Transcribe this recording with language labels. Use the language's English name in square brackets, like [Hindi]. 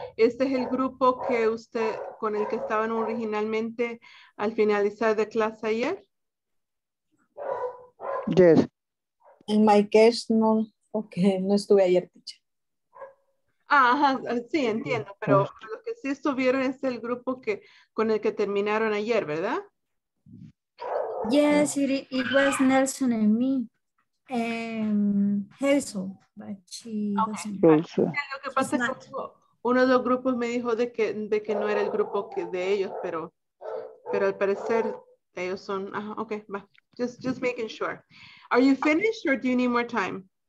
[Spanish] ¿Este es el grupo que usted con el que estaban originalmente al finalizar de clase ayer? [English] Yes. In my case, no. Okay, [Spanish] no estuve ayer. Ajá, sí, entiendo. Pero lo que sí estuvieron es el grupo que con el que terminaron ayer, ¿verdad? [English] Yes, it was Nelson and me, Hazel, but she doesn't. Okay. [Spanish] Lo que pasa es que uno de los grupos me dijo de que no era el grupo que de ellos, pero al parecer ellos son. [English] Okay, va. Just making sure. Are you finished or do you need more time?